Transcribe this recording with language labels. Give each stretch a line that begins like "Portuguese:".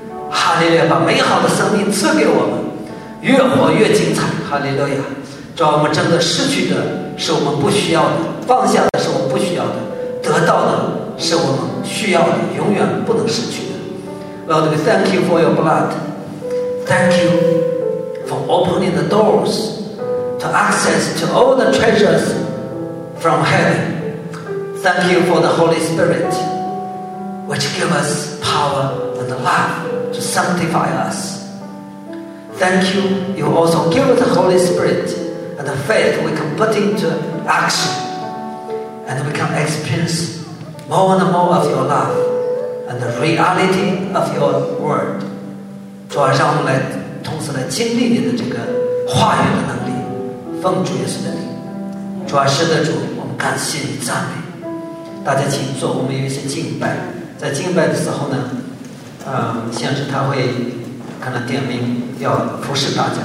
Chinese: 哈利路亚，把美好的生命赐给我们，越活越精彩。哈利路亚！主啊，我们真的失去的是我们不需要的，放下的是我们不需要的，得到的是我们需要的，永远不能失去的。
English: Lord, we thank you for your blood. Thank you for opening the doors to access to all the treasures from heaven. Thank you for the Holy Spirit, which gives us power and love to sanctify us. Thank you, you also give the Holy Spirit and the faith we can put into action and we can experience. More and more of your love and the reality of your word.
Chinese: 主啊，让我们来同时来经历你的这个话语的能力，奉主耶稣的名。主啊，是的，主，我们感谢你，赞美。大家请坐，我们有一些敬拜。在敬拜的时候呢，先是他会可能点名要服侍大家。